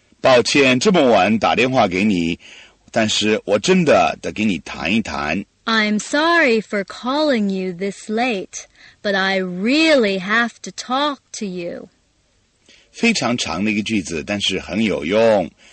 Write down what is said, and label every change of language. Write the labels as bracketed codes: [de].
[zh] 抱歉这么晚打电话给你，但是我真的得给你谈一谈。 [en] I'm sorry for calling you this late, but I really have to talk to you. [zh] 非常长的一个句子，但是很有用。